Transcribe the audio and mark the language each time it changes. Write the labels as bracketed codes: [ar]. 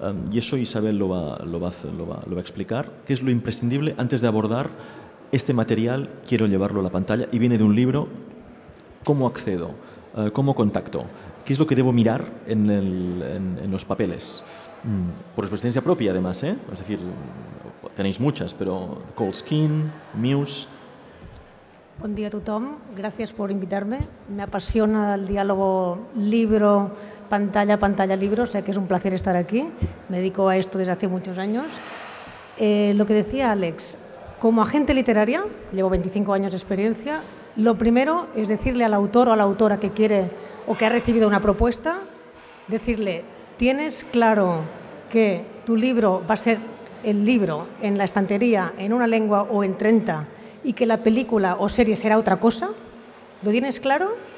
[es] y eso Isabel lo va a explicar, ¿qué es lo imprescindible antes de abordar este material, quiero llevarlo a la pantalla, y viene de un libro, ¿cómo accedo? ¿Cómo contacto? ¿Qué es lo que debo mirar en los papeles? Por experiencia propia, además, ¿eh? Es decir, tenéis muchas, pero Cold Skin, Muse... [ca] Bon dia a tothom, gràcies per invitar-me. M'apassiona el diàlogo libro-pantalla-pantalla-libro, [es] o sea que [ca] és un placer estar aquí. [es] Me dedico a esto desde hace muchos años. Lo que decía Àlex, como agente literaria, llevo 25 años de experiencia, lo primero es decirle al autor o a la autora que quiere o que ha recibido una propuesta, decirle... ¿Tienes claro que tu libro va a ser el libro en la estantería, en una lengua o en 30 y que la película o serie será otra cosa? ¿Lo tienes claro?